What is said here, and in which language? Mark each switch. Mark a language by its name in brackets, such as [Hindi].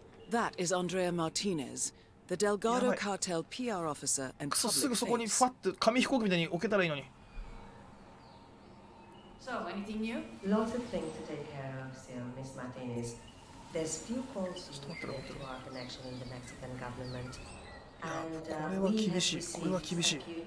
[English] That is Andrea Martinez, the Delgado cartel PR officer and public face. [Japanese] すぐそこにファッて紙飛行機みたいに置けたらいいのに。 [English] So, anything new? Lots of things to take care of still, Miss Martinez. There's few calls you need to make to our connection in the Mexican government. [Japanese] これは厳しい、これは厳しい。